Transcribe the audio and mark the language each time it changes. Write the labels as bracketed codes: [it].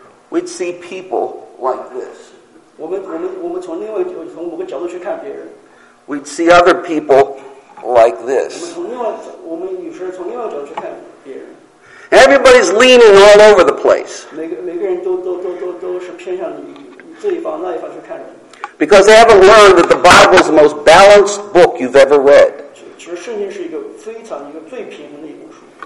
[en] We'd see people like this. [zh] 我们从另外从某个角度去看别人。 [en] We'd see other people like this. [zh] 我们有时从另外角度去看别人。 [en] Everybody's leaning all over the place. [zh] 每个人都是偏向这一方那一方去看人。 [en] Because they haven't learned that the Bible is the most balanced book you've ever read. [zh] 其实圣经是一个非常一个最平衡的一本书。